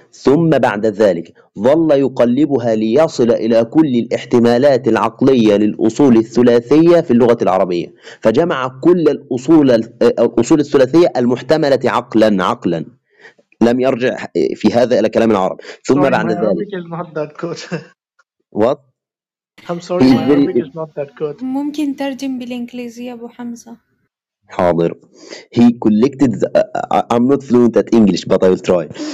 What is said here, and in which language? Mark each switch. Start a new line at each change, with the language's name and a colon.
Arabic: ثم بعد ذلك ظل يقلبها ليصل إلى كل الاحتمالات العقلية للأصول الثلاثية في اللغة العربية. فجمع كل الأصول الثلاثية المحتملة عقلا لم يرجع في هذا إلى كلام العرب. ثم بعد ذلك What?
English: I'm sorry, my Arabic is not that good.
Arabic: ممكن ترجم بالإنجليزية أبو حمزة. حاضر.
English: He collected I'm not fluent at English, but I will try.